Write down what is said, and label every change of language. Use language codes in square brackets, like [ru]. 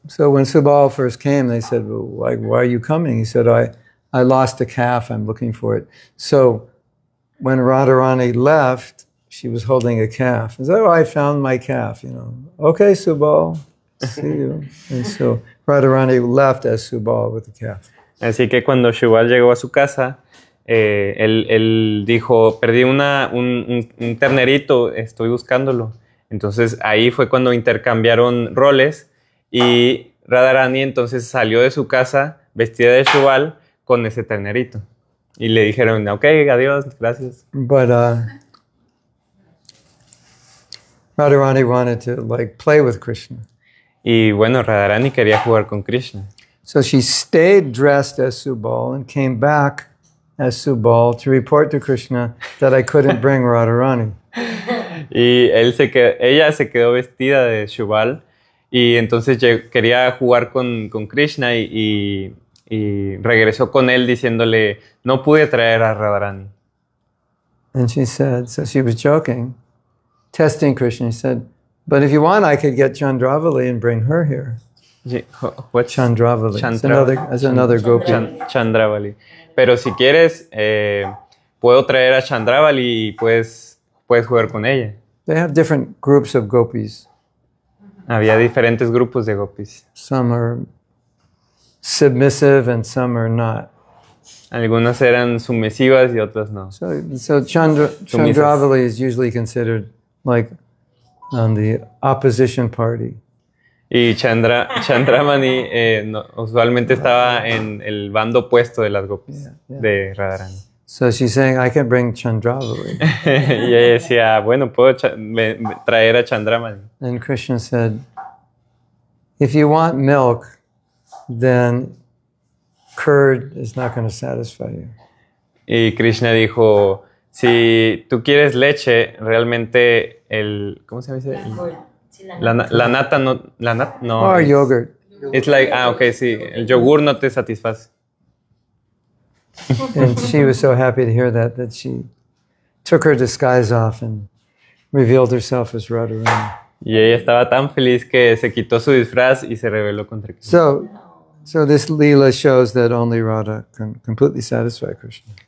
[en] So when Subal first came, they said, why are you coming? He said, I lost a calf, I'm looking for it. So when Radharani left, she was holding a calf. And said, I found my calf, you know. Okay, Subal, see you. And so Radharani left as Subal with the calf. [es] Así que cuando Subal llegó a su casa, él dijo, perdí un ternerito, estoy buscándolo. Entonces ahí fue cuando intercambiaron roles y Radharani entonces salió de su casa vestida de Subal con ese ternerito. Y le dijeron, okay, adiós, gracias. [en] But Radharani wanted to like play with Krishna. [es] Y bueno, Radharani quería jugar con Krishna. [en] So she stayed dressed as Subal and came back as Subal to report to Krishna that I couldn't bring Radharani. [es] Y ella se quedó vestida de Subal y entonces quería jugar con Krishna y regresó con él diciéndole no pude traer a Radharani. [en] And she said, so she was joking, testing Krishna. She said, but if you want, I could get Chandravali and bring her here. What? Chandravali. Chandravali. [es] Pero si quieres, puedo traer a Chandravali y puedes jugar con ella. [en] They have different groups of gopis. [es] Había diferentes grupos de gopis. [en] Some are submissive and some are not. [es] Algunas eran sumisivas y otras no. [en] So Chandravali is usually considered like on the opposition party. [es] Y Chandramani usualmente estaba en el bando opuesto de las gopis, de Radharani. [en] So she's saying, I can bring Chandravali. [es] Y ella decía, bueno, puedo traer a Chandramani. [en] And Krishna said, if you want milk, then curd is not going to satisfy you. [es] Y Krishna dijo, si tú quieres leche, realmente el, ¿cómo se llama ese? La nata no. [en] Or it's, yogurt. It's like, okay, [es] sí, el yogur no te satisface. [en] And she was so happy to hear that she took her disguise off and revealed herself as Radharani. [es] Y ella estaba tan feliz que se quitó su disfraz y se reveló contra Krishna. [en] So this lila shows that only Radha can completely satisfy Krishna.